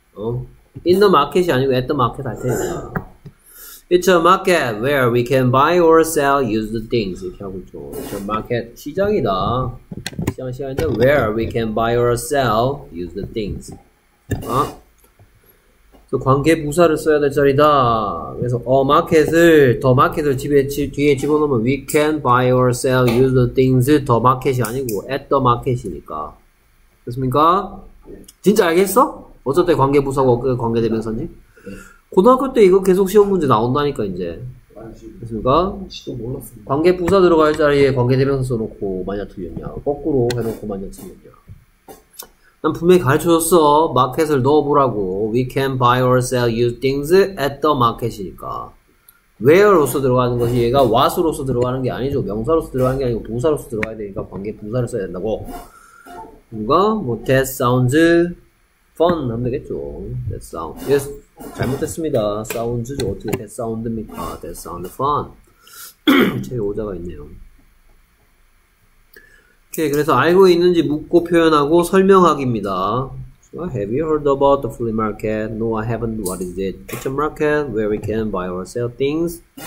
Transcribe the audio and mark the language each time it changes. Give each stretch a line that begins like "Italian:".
English: 어? in the market
Korean: 이 아니고
English: at the market
Korean: 할 테니까
English: It's a market where we can buy or sell used things.
Korean: 이렇게 하고 있죠.
English: It's a market.
Korean: 시장이다. 시장인데,
English: where we can buy or sell used things. 아?
Korean: 그래서 관계 부사를 써야 될 자리다.
English: 그래서, a market을, the market을
Korean: 뒤에 집어넣으면,
English: we can buy or sell used things. the market
Korean: 이 아니고,
English: at the market
Korean: 이니까. 됐습니까? 진짜 알겠어? 어쨌든 관계 부사고, 어떻게 관계 대명사인지? 고등학교 때 이거 계속 시험 문제 나온다니까 이제 됐습니까? 관계 부사 들어갈 자리에 관계 대명사 써놓고 만약 틀렸냐 거꾸로 해놓고 만약 틀렸냐 난 분명히 가르쳐줬어 마켓을 넣어보라고
English: We can buy or sell used things at the market
Korean: 이니까 where로서 들어가는 것이 얘가 what으로서 들어가는 게 아니죠 명사로서 들어가는 게 아니고 동사로서 들어가야 되니까 관계 부사를 써야 된다고 누가 뭐
English: that sounds fun
Korean: 하면 되겠죠
English: that sounds yes.
Korean: 잘못했습니다. 사운드죠. 어떻게
English: that sound
Korean: 입니까?
English: that sound fun.
Korean: 제일 오자가 있네요. 오케이, 그래서 알고 있는지 묻고 표현하고 설명하기입니다.
English: So, have you heard about the flea market? No, I haven't. What is it? It's a market where we can buy or sell things.